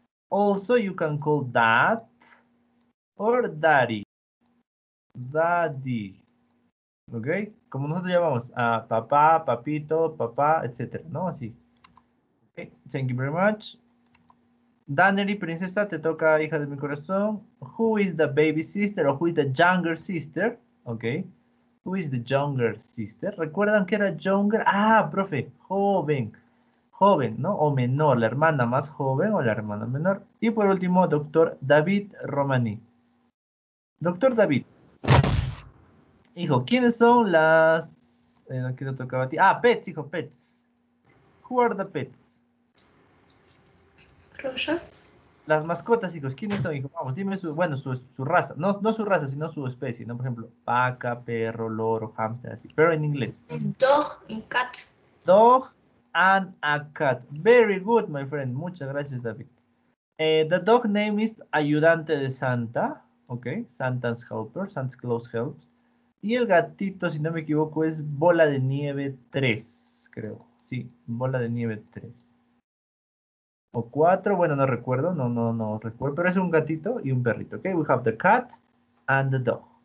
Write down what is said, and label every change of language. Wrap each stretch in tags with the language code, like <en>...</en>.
<en>Also, you can call dad. Or daddy, ¿ok?</en> <es>Como nosotros llamamos a papá, papito, papá, etcétera, ¿no? Así.</es> <en>Okay. Thank you very much.</en> <es>Dannery, princesa, te toca, hija de mi corazón.</es> <en>Who is the baby sister or who is the younger sister? ¿Ok? Who is the younger sister?</en> <es>¿Recuerdan que era younger? Ah, profe, joven, ¿no? O menor, la hermana más joven o la hermana menor. Y por último, doctor David Romani. Doctor David, hijo, ¿quiénes son las... aquí no tocaba a ti. Ah, pets, hijo, pets.</es> <en>Who are the pets?</en> <es>Rosa. Las mascotas, hijos, ¿quiénes son, hijo? Vamos, dime su raza. No su raza, sino su especie, ¿no? Por ejemplo, vaca, perro, loro, hámster, así. Pero en inglés.</es> <en>Dog and cat. Dog and a cat. Very good, my friend.</en> <es>Muchas gracias, David.</es> <en>The dog name is Ayudante de Santa. Ok, Santa's Helper, Santa's Claus Helps.</en> <es>Y el gatito, si no me equivoco, es Bola de Nieve 3, creo. Sí, Bola de Nieve 3. O 4, bueno, no recuerdo, no recuerdo, pero es un gatito y un perrito.</es> <en>Ok, we have the cat and the dog.</en>